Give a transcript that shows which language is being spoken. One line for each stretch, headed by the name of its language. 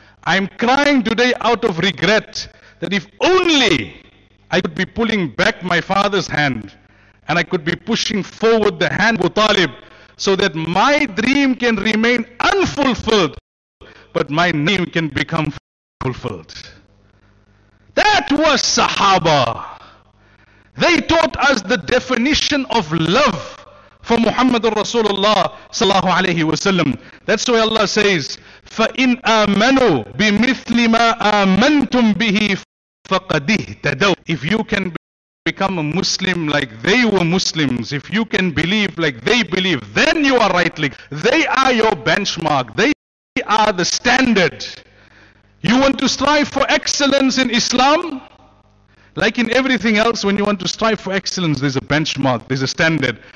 English: I'm crying today out of regret that if only I could be pulling back my father's hand and I could be pushing forward the hand of Abu Talib, so that my dream can remain unfulfilled, but my name can become fulfilled." That was Sahaba. They taught us the definition of love for Muhammadur Rasulullah sallallahu alayhi wa sallam. That's why Allah says,
Arabic: فَإِنْ آمَنُوا بِمِثْلِ مَا آمَنْتُمْ بِهِ فَقَدْ اهْتَدَوْا.
English: If you can become a Muslim like they were Muslims, if you can believe like they believe, then you are rightly. They are your benchmark. They are the standard. You want to strive for excellence in Islam? Like in everything else, when you want to strive for excellence, there's a benchmark, there's a standard.